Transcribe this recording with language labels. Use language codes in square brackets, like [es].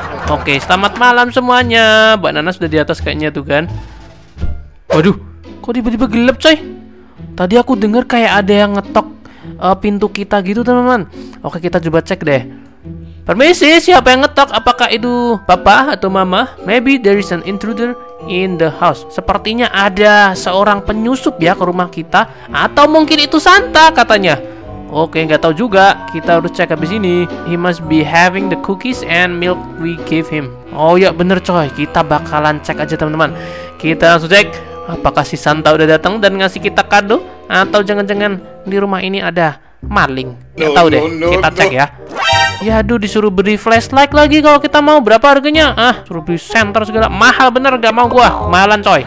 [id] Oke, selamat malam semuanya. Mbak Nanas sudah di atas kayaknya tuh, kan. Waduh, kok tiba-tiba gelap, coy? Tadi aku denger kayak ada yang ngetok pintu kita gitu, teman-teman. Oke, kita coba cek deh. Permisi, siapa yang ngetok? Apakah itu papa atau mama? [en] Maybe there is an intruder in the house. [id] Sepertinya ada seorang penyusup ya ke rumah kita. Atau mungkin itu Santa, katanya. Oke, nggak tahu juga. Kita harus cek habis ini. [en] He must be having the cookies and milk we give him. [id] Oh ya, bener, coy. Kita bakalan cek aja, teman-teman. Kita langsung cek. Apakah si Santa udah datang dan ngasih kita kado? Atau jangan-jangan di rumah ini ada maling? Nggak tahu deh. Kita cek ya. Yaduh, disuruh beri flashlight lagi kalau kita mau. Berapa harganya? Ah, suruh beli senter segala. Mahal bener, nggak mau gua. Malan, coy.